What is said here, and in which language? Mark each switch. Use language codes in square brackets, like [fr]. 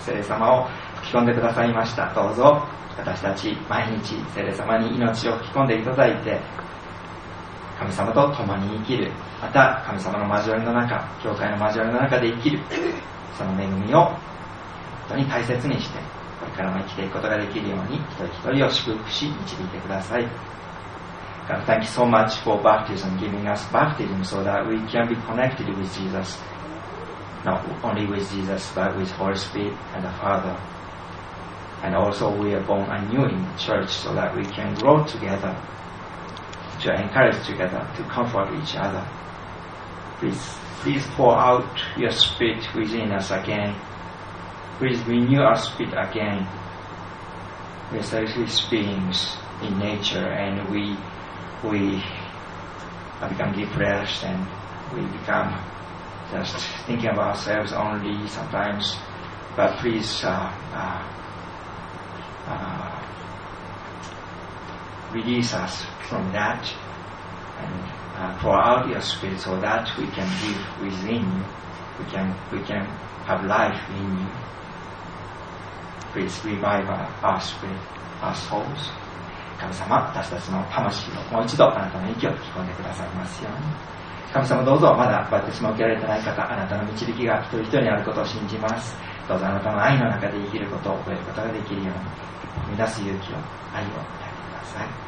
[ja] 聖霊様を吹き込んでくださいました。どうぞ私たち毎日聖霊様に命を吹き込んでいただいて、神様と共に生きる、また神様の交わりの中、教会の交わりの中で生きる、その恵みを本当に大切にして、これからも生きていくことができるように一人一人を祝福し導いてください。 [en] God, thank you so much for baptism, giving us baptism so that we can be connected with Jesus. Not only with Jesus, but with Holy Spirit and the Father. And also we are born anew in the church so that we can grow together, to encourage together, to comfort each other. Please pour out your Spirit within us again. Please renew our Spirit again. We are selfish beings in nature and we become depressed and we become just thinking of ourselves only sometimes, but please release us from that and pour out your Spirit so that we can live within you, we can have life in you. Please revive our spirit, our souls. [ja] 神様、私たちの魂をもう一度あなたの息を吹き込んでくださいますように。神様、どうぞまだバプテスマを受けられていない方、あなたの導きが一人一人にあることを信じます。どうぞあなたの愛の中で生きることを覚えることができるように、生み出す勇気を、愛を与えてください。